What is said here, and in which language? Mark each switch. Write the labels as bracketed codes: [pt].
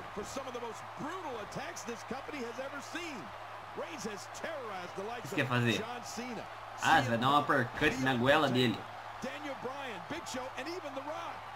[en] For some of the most brutal attacks this company has ever seen. Reigns has terrorized the likes of John Cena. [pt] Ah, vai dar uma uppercut na goela dele. [en] Daniel Bryan, Big Show and even The Rock.